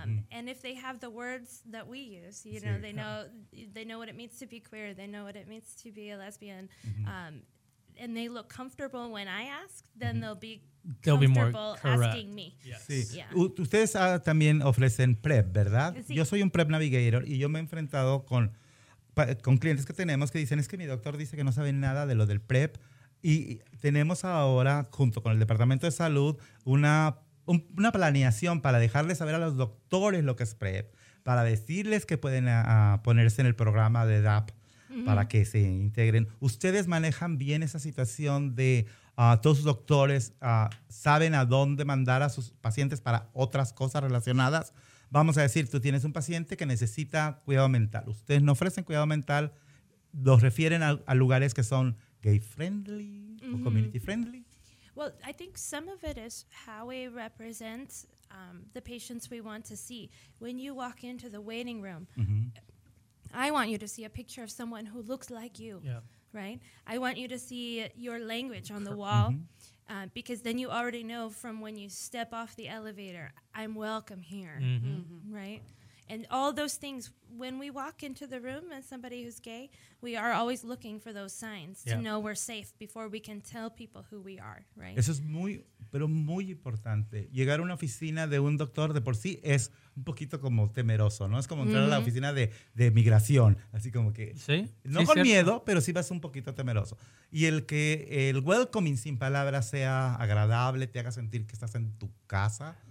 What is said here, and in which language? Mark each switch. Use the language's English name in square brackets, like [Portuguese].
[English] And if they have the words that we use, you know, they know what it means to be queer. They know what it means to be a lesbian. and they look comfortable when I ask, then they'll be comfortable asking me. [Spanish] Yes. Sí. Yeah. Ustedes también ofrecen prep, ¿verdad? Sí. Yo soy un prep navigator y yo me he enfrentado con clientes que tenemos que dicen, es que mi doctor dice que no sabe nada de lo del prep. Y tenemos ahora, junto con el Departamento de Salud, una planeación para dejarles saber a los doctores lo que es PrEP, para decirles que pueden ponerse en el programa de DAP para que se integren. ¿Ustedes manejan bien esa situación de todos sus doctores saben a dónde mandar a sus pacientes para otras cosas relacionadas? Vamos a decir, tú tienes un paciente que necesita cuidado mental. Ustedes no ofrecen cuidado mental, los refieren a lugares que son gay friendly mm-hmm. [English] or community friendly? Well, I think some of it is how we represent the patients we want to see. When you walk into the waiting room, mm-hmm. I want you to see a picture of someone who looks like you, yeah. right? I want you to see your language on the wall mm-hmm. Because then you already know from when you step off the elevator, I'm welcome here, mm-hmm. Mm-hmm, right? And all those things, when we walk into the room as somebody who's gay, we are always looking for those signs yeah. to know we're safe before we can tell people who we are, right? [Spanish] Eso es muy, pero muy importante. Llegar a una oficina de un doctor de por sí es un poquito como temeroso, ¿no? Es como entrar mm-hmm. a la oficina de migración, así como que... Sí. No sí, con cierto. Miedo, pero sí vas un poquito temeroso. Y el que el welcoming sin palabras sea agradable, te haga sentir que estás en tu casa...